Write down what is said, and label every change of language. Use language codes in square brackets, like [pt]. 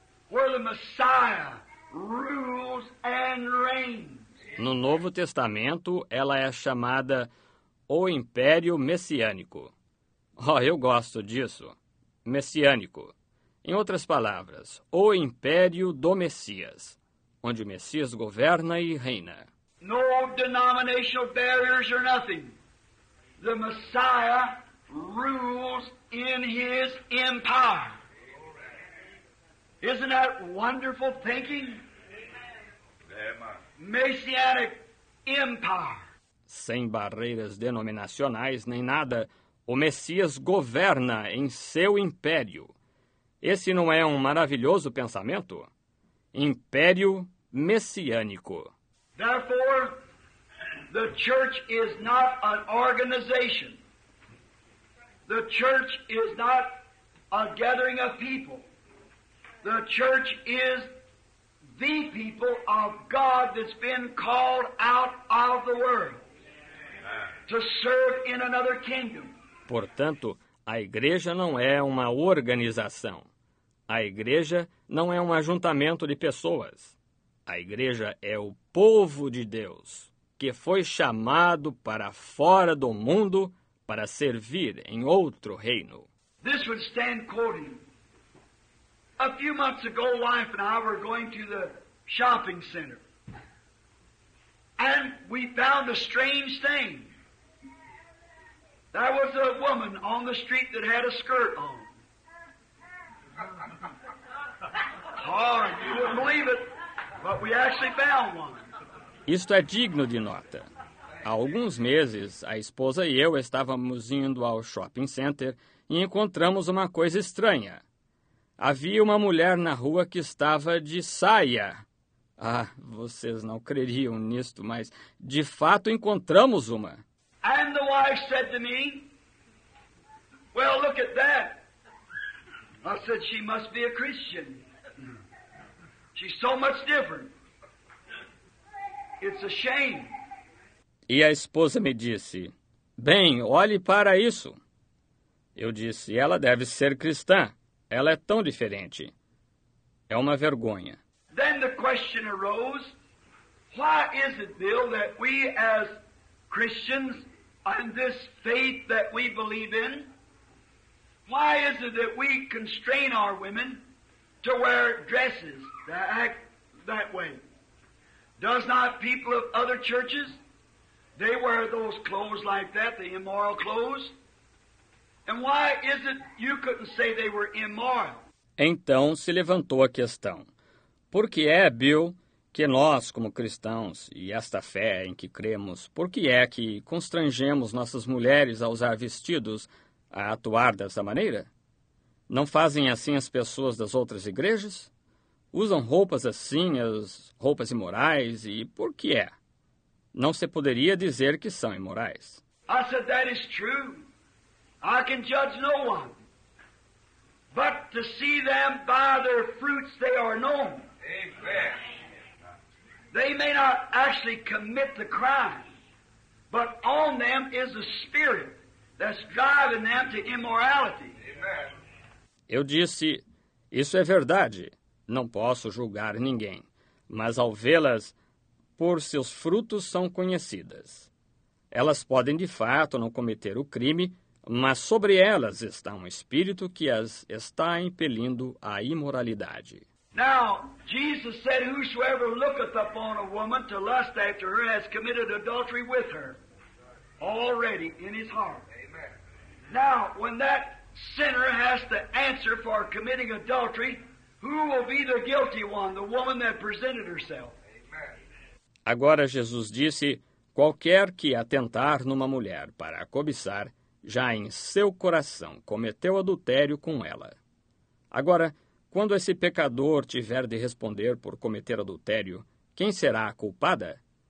[en] Where the Messiah rules and reigns. [pt] No Novo Testamento, ela é chamada o Império Messiânico. Oh, eu gosto disso. Messiânico. Em outras palavras, o Império do Messias, onde o Messias governa e reina. [en] No denominational barriers or nothing. The Messiah rules in his empire. Isn't that wonderful thinking? Messianic empire. [pt] Sem barreiras denominacionais nem nada, o Messias governa em seu império. Esse não é um maravilhoso pensamento? Império messiânico. [en] Therefore, the church is not an organization. The church is not a gathering of people. The church is the people of God that's been called out of the world to serve in another kingdom. [pt] Portanto, A igreja não é uma organização. A igreja não é um ajuntamento de pessoas. A igreja é o povo de Deus, que foi chamado para fora do mundo para servir em outro reino. [en] This would stand quoting. A few months ago, wife and I were going to the shopping center. And we found a strange thing. There was a woman on the street that had a skirt on. Oh, you wouldn't believe it, but we actually found one. [pt] Isto é digno de nota. Há alguns meses, a esposa e eu estávamos indo ao shopping center e encontramos uma coisa estranha. Havia uma mulher na rua que estava de saia. Ah, vocês não creriam nisto, mas de fato encontramos uma. [en] And the wife said to me, "Well, look at that." I said, "She must be a Christian. She's so much different. It's a shame." [pt] E a esposa me disse, "Bem, olhe para isso." Eu disse, "Ela deve ser cristã. Ela é tão diferente. É uma vergonha." [en] Then the question arose, why is it, Bill, that we as Christians and this faith that we believe in, why is it that we constrain our women to wear dresses that act that way? Does not people of other churches, they wear those clothes like that, the immoral clothes? And why is it you couldn't say they were immoral? [pt] Então se levantou a questão. Por que é, Bill, que nós, como cristãos, e esta fé em que cremos, por que é que constrangemos nossas mulheres a usar vestidos, a atuar dessa maneira? Não fazem assim as pessoas das outras igrejas? Usam roupas assim, as roupas imorais, e por que é? Não se poderia dizer que são imorais. [en] I said, that is true. I can judge no one. But to see them by their fruits, they are known. Amen. They may not actually commit the crime, but on them is a spirit that's driving them to immorality. [pt] Eu disse, isso é verdade. Não posso julgar ninguém, mas ao vê-las, por seus frutos são conhecidas. Elas podem de fato não cometer o crime, mas sobre elas está um espírito que as está impelindo à imoralidade. [en] Now, Jesus said, whosoever looketh upon a woman to lust after her has committed adultery with her already in his heart. Amen. Now, when that sinner has to answer for committing adultery, who will be the guilty one? The woman that presented herself. Amen. [pt] Agora Jesus disse, qualquer que atentar numa mulher para a cobiçar, já em seu coração cometeu adultério com ela. Agora, quando esse pecador tiver de responder por cometer adultério, quem será a culpada?